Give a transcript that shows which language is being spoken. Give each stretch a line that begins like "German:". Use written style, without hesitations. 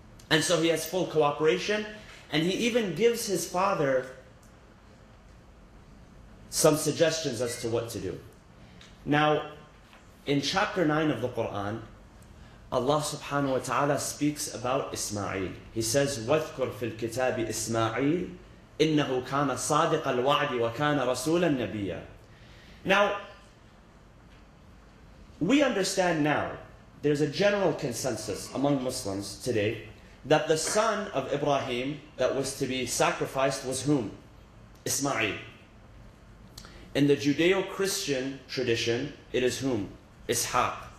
English: And so he has full cooperation, and he even gives his father some suggestions as to what to do. Now, in chapter 9 of the Quran, Allah subhanahu wa ta'ala speaks about Ismail. He says,
Arabic: وَذْكُرْ فِي الْكِتَابِ إِسْمَعِيلِ إِنَّهُ كَانَ صَادِقَ الْوَعْدِ وَكَانَ رَسُولًا نَبِيًّا.
English: Now, we understand now, there's a general consensus among Muslims today, that the son of Ibrahim that was to be sacrificed was whom? Ismail. In the Judeo-Christian tradition, it is whom? Ishaq.